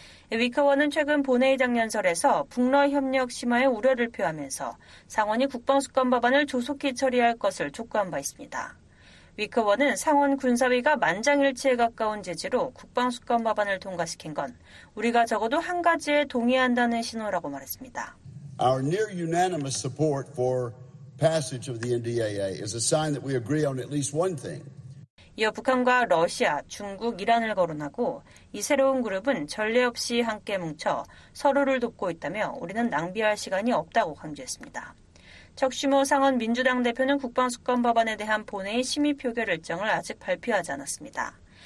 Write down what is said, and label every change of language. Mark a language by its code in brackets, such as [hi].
[ko] 위커원은 최근 본회의장 연설에서 북러 협력 심화에 우려를 표하면서 상원이 국방수권 법안을 조속히 처리할 것을 촉구한 바 있습니다. 위커원은 상원 군사위가 만장일치에 가까운 제지로 국방수권 법안을 통과시킨 건 우리가 적어도 한 가지에 동의한다는 신호라고 말했습니다. [en] Our near unanimous support for passage of the NDAA is a sign that we agree on at least one thing. [ko] 이어 북한과 러시아, 중국, 이란을 거론하고 이 새로운 그룹은 전례 없이 함께 뭉쳐 서로를 돕고 있다며 우리는 낭비할 시간이 없다고 강조했습니다. 척시모 상원 민주당 대표는 국방수권 법안에 대한 본회의 심의 표결 일정을 아직 발표하지 않았습니다.